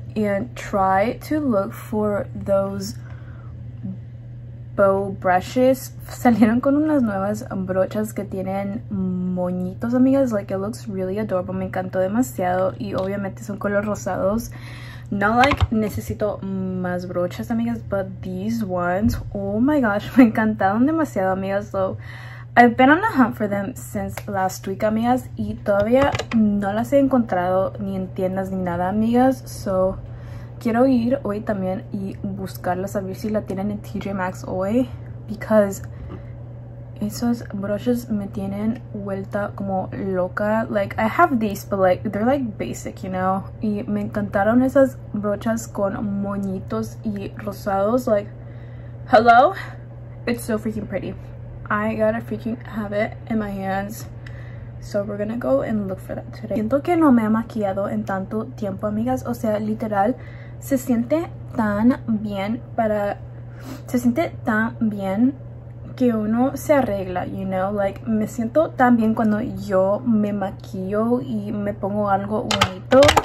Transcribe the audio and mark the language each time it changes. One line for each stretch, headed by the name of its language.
English: And try to look for those bow brushes.
Spanish: Salieron con unas nuevas brochas que tienen moñitos, amigas.
English: Like, it looks really adorable.
Spanish: Me encantó demasiado. Y obviamente son color rosados. No, like, necesito más brochas, amigas.
English: But these ones, oh my gosh,
Spanish: me encantaron demasiado, amigas.
English: So, I've been on a hunt for them since last week,
Spanish: amigas, y todavía no las he encontrado ni en tiendas ni nada, amigas. So, quiero ir hoy también y buscarlas, a ver si la tienen en TJ Maxx hoy. Because Esos brushes me tienen vuelta como loca.
English: Like, I have these, but like, they're like basic, you know?
Spanish: Y me encantaron esas brochas con moñitos y rosados.
English: Like, hello? It's so freaking pretty. I gotta freaking have it in my hands. So we're gonna go and look for that today.
Spanish: Siento que no me he maquillado en tanto tiempo, amigas. O sea, literal, se siente tan bien para... Se siente tan bien que uno se arregla,
English: you know?
Spanish: Like, me siento tan bien cuando yo me maquillo y me pongo algo bonito.